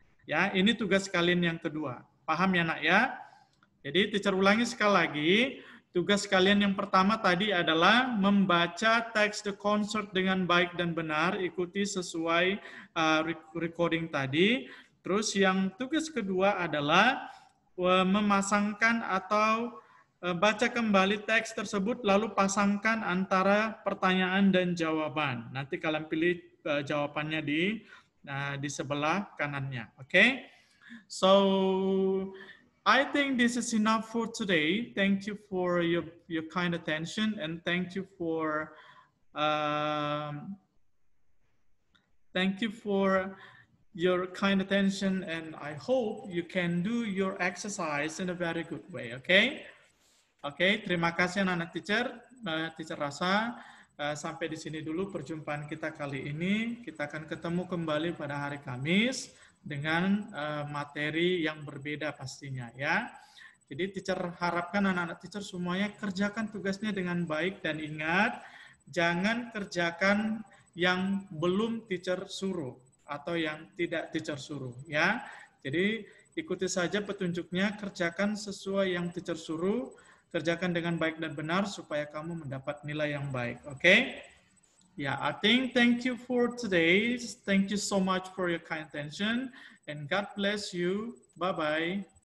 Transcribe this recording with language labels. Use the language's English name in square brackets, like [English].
[Indonesian] Ya, ini tugas kalian yang kedua. Paham ya, Nak, ya? Jadi, teacher ulangi sekali lagi, tugas kalian yang pertama tadi adalah membaca teks the concert dengan baik dan benar, ikuti sesuai recording tadi. Terus yang tugas kedua adalah memasangkan atau baca kembali teks tersebut, lalu pasangkan antara pertanyaan dan jawaban. Nanti kalian pilih jawabannya di di sebelah kanannya. Okay. [English] So I think this is enough for today. Thank you for your kind attention, and thank you for your kind attention, and I hope you can do your exercise in a very good way. [Indonesian] Okay. Okay, terima kasih anak teacher, teacher Rasa. Sampai di sini dulu perjumpaan kita kali ini. Kita akan ketemu kembali pada hari Kamis dengan materi yang berbeda pastinya ya. Jadi teacher harapkan anak-anak teacher semuanya kerjakan tugasnya dengan baik, dan ingat, jangan kerjakan yang belum teacher suruh atau yang tidak teacher suruh ya. Jadi ikuti saja petunjuknya, kerjakan sesuai yang teacher suruh. Kerjakan dengan baik dan benar supaya kamu mendapat nilai yang baik. [English] Okay? Yeah, I think thank you for today. Thank you so much for your kind attention. And God bless you. Bye-bye.